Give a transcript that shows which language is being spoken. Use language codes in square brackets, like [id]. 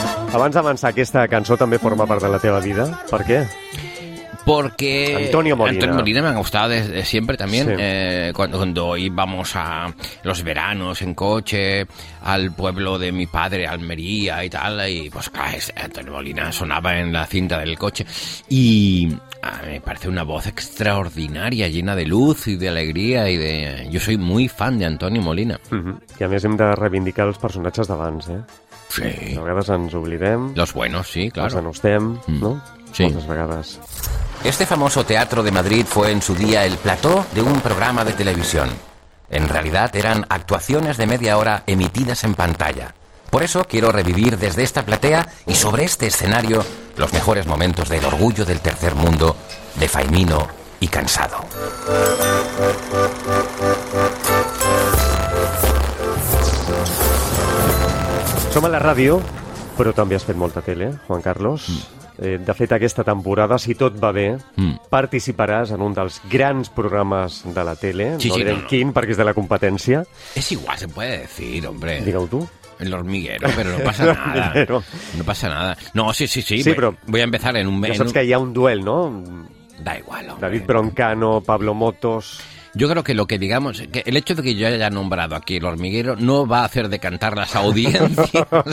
[ca] Abans d'avançar, aquesta cançó també forma part de la teva vida. Per què? [es] Porque Antonio Molina. Antonio Molina me ha gustado desde siempre también. Sí. Cuando íbamos a los veranos en coche al pueblo de mi padre, Almería y tal, y pues claro, Antonio Molina sonaba en la cinta del coche y me parece una voz extraordinaria, llena de luz y de alegría y de... Yo soy muy fan de Antonio Molina. [ca] Y a més hem de reivindicar els personatges d'abans, ¿eh? Sí. A vegades ens oblidem. [es] Los buenos, sí, claro. [ca] Los denostem, ¿no? Sí. [es] Este famoso teatro de Madrid fue en su día el plató de un programa de televisión. En realidad eran actuaciones de media hora emitidas en pantalla. Por eso quiero revivir desde esta platea y sobre este escenario los mejores momentos del orgullo del tercer mundo de Faimino y Cansado. [ca] Som a la ràdio, però també has fet molta tele, Juan Carlos. De fet, aquesta temporada, si tot va bé, participaràs en un dels grans programes de la tele. Sí, no sí, direm no, no. Quin, perquè és de la competència. És igual, [es] se puede decir, hombre. [ca] Digue-ho tu. L'Hormiguero, però no passa nada. No passa nada. No, sí, sí, sí. Sí, però... [es] Voy a empezar en un... [ca] Ja saps que hi ha un duel, no? [es] Da igual, hombre. David Broncano, Pablo Motos... Yo creo que lo que digamos, que el hecho de que yo haya nombrado aquí El Hormiguero no va a hacer decantar las audiencias.